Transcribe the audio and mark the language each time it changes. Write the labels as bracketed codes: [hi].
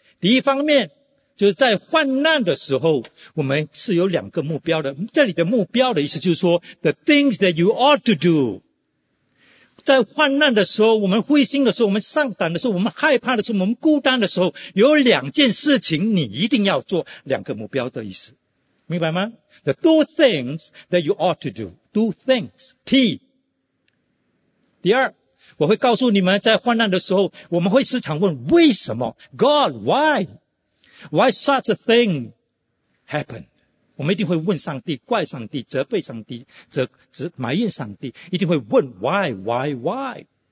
[zh] 第一方面就是在患难的时候我们是有两个目标的，这里的目标的意思就是说 [en] the things that you ought to do， [zh] 在患难的时候，我们灰心的时候，我们上胆的时候，我们害怕的时候，我们孤单的时候，有两件事情你一定要做，两个目标的意思，明白吗？ [en] the two things that you ought to do， two things， T。 [zh] 第二，我会告诉你们在患难的时候我们会时常问为什么， [en] God why，Why such a thing happened？ [zh] 我们一定会问上帝，怪上帝，责备上帝，责埋怨上帝，一定会问 why？